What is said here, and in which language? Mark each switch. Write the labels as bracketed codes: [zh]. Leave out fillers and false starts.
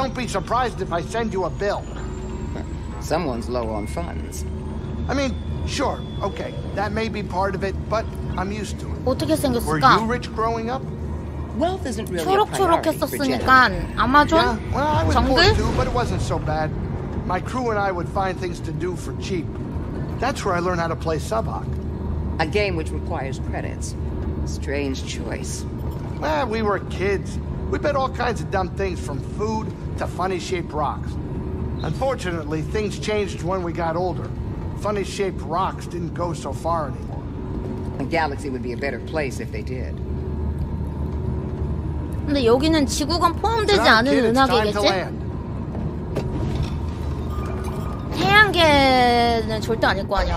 [en] Don't be surprised if I send you a bill. Someone's low on funds. I mean, sure. Okay. That may be part of it, but I'm used to it. [ko] 어떻게 생겼을까? [en] Were you rich growing up? Wealth isn't really [ko] 초록초록했었으니까 아마존 정글? [en] Yeah, well, I was poor, but it wasn't so bad. My crew and I would find things to do for cheap. That's where I learned how to play Sabacc. A game which requires credits. Strange choice. Well, we were kids. We bet all kinds of dumb things, from food to funny-shaped rocks. Unfortunately, things changed when we got older. Funny-shaped rocks didn't go so far anymore. The galaxy would be a better place if they did. [ko] 근데 여기는 지구간 포함되지 않은 은하계겠지? 태양계는 절대 아닐 거 아니야.